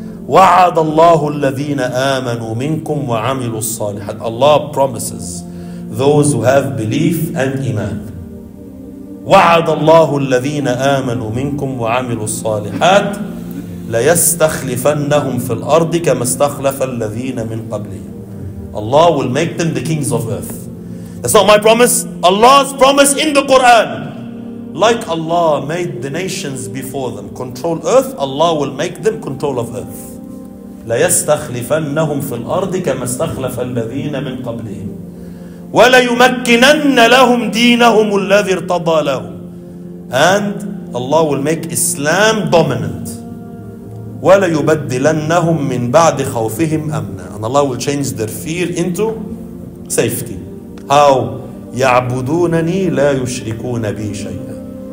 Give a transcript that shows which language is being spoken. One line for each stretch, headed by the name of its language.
Arabic: وعد الله الذين آمنوا منكم وعملوا الصالحات.
English: Allah promises those who have belief and iman.
Arabic: وعد الله الذين آمنوا منكم وعملوا الصالحات ليستخلفنهم في الأرض كما استخلف الذين من قبلهم.
English: Allah will make them the kings of earth. That's not my promise. Allah's promise in the Quran. Like Allah made the nations before them control earth, Allah will make them control of earth.
Arabic: ليستخلفنهم في الأرض كما استخلف الذين من قبلهم وليمكنن لهم دينهم الذي ارتضى لهم.
English: And Allah will make Islam dominant.
Arabic: وليبدلنهم من بعد خوفهم أمنا.
English: And Allah will change their fear into safety. How?
Arabic: يعبدونني لا يشركون بي شيئا.